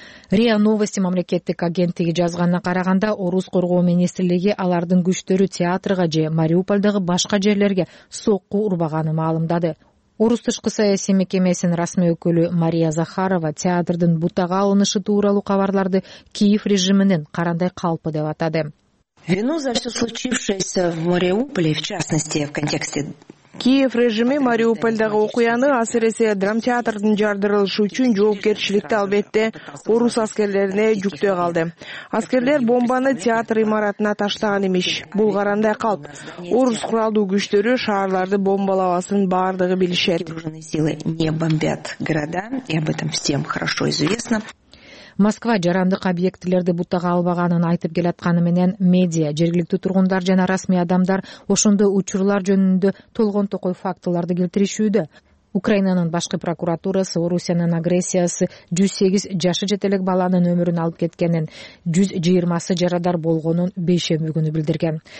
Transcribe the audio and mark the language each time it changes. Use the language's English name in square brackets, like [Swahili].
[Kyrgyz] РИА Новости мамлекеттик агенттиги жазганына караганда, Орус коргоо министрлиги алардын күчтөрү театрга же Мариупольдагы башка жерлерге сокку урбаганы маалымдады. Орус тышкы саясий мекемесинин расмий өкүлү Мария Захарова театрдын бутага алынышы тууралуу кабарларды Киев режиминин карандай калпы деп атады. [Russian] Вину за все случившееся в Мариуполе, в частности, в контексте [Kyrgyz] Киев режими Мариупольдагы окуяны асиресе драмтеатрдын жардырылышы үчүн жоопкерчиликти албетте орус аскерлерине жүктөй калды. Аскерлер бомбаны театр имаратына таштаган эмиш. Бул карандай калп. Орус куралдуу күчтөрү шаарларды бомбалабасын баардыгы билишет. [Russian] Не бомбят города, и об этом всем хорошо известно. [Kyrgyz] Москва жарандык объектилерди бутага албаганын айтып келаткан менен медиа, жергиликтүү тургундар жана расмий адамдар ошондой учурлар жөнүндө толгон-токой фактыларды келтиришүүдө. Украинанын башкы прокуратурасы Орусиянын агрессиясы 108 жашы жете элек баланын өмүрүн алып кеткенин, 120 жарадар болгонун бейшемби күнү билдирген.